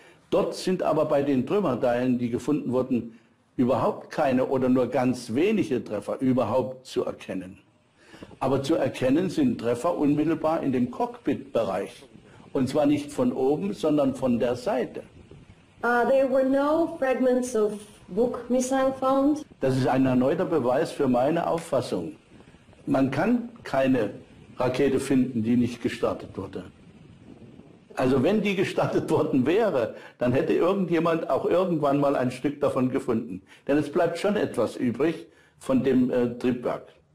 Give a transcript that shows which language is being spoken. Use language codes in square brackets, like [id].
[de] Dort sind aber bei den Trümmerteilen, die gefunden wurden, überhaupt keine oder nur ganz wenige Treffer überhaupt zu erkennen. Aber zu erkennen sind Treffer unmittelbar in dem Cockpitbereich. Und zwar nicht von oben, sondern von der Seite. [en] There were no fragments of Buk missile found. [de] Das ist ein erneuter Beweis für meine Auffassung. Man kann keine Rakete finden, die nicht gestartet wurde. Also wenn die gestartet worden wäre, dann hätte irgendjemand auch irgendwann mal ein Stück davon gefunden. Denn es bleibt schon etwas übrig von dem Triebwerk.